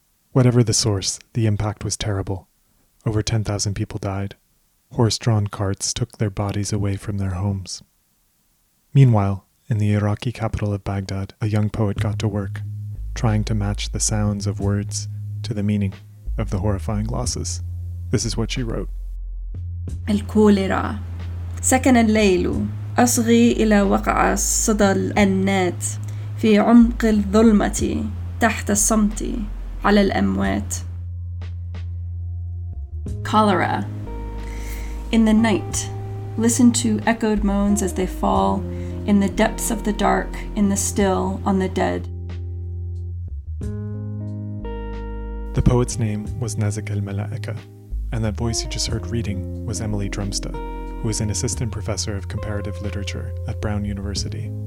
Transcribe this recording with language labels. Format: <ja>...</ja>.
<en>Whatever the source, the impact was terrible. Over 10,000 people died. Horse-drawn carts took their bodies away from their homes. Meanwhile, in the Iraqi capital of Baghdad, a young poet got to work, trying to match the sounds of words to the meaning of the horrifying losses. This is what she wrote.</en> <ar>El cholera. سكن الليل أصغي إلى وقع صدى الأنات في عمق الظلمة تحت الصمت على الأموات.</ar> <en>Cholera. In the night, listen to echoed moans as they fall in the depths of the dark, in the still, on the dead. The poet's name was Nazik el-Malaika, and that voice you just heard reading was Emily Drumsta, who is an assistant professor of comparative literature at Brown University.</en>